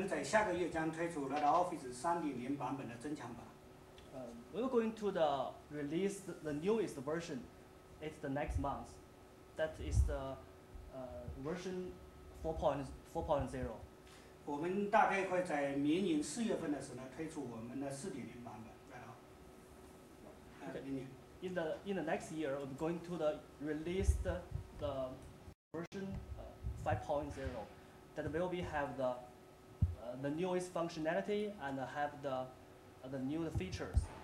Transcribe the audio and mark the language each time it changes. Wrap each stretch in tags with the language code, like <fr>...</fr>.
<zh>我们在下个月将推出 Red Office 3.0版本的增强版。</zh> <en>We're going to the release the newest version. It's the next month. That is the version 4.0.</en> <zh>我们大概会在明年4月份的时候推出我们的4.0版本。</zh> <en>Okay. In the next year, we're going to the release the version 5.0. That will be have the newest functionality and have the new features.</en>